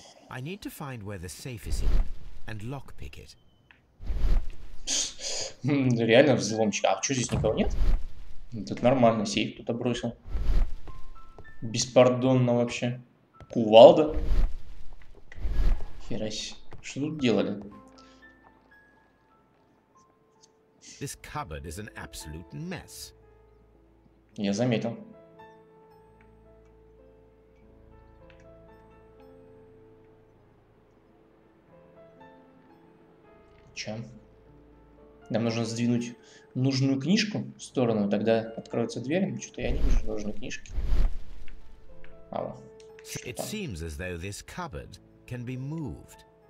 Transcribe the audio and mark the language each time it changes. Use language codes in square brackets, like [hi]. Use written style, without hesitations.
[en] I need to find where the safe is in and lockpick it. [ru] Реально взломщик. А что здесь никого нет? Тут нормально, сейф кто-то бросил. Беспардонно вообще. Кувалда? Херась. Что тут делали? [en] This cupboard is an absolute mess. [ru] Я заметил. Чем? Нам нужно сдвинуть нужную книжку в сторону, тогда откроются двери. Что-то я не вижу нужной книжки. А вот. [en] It seems as though this cupboard can be moved.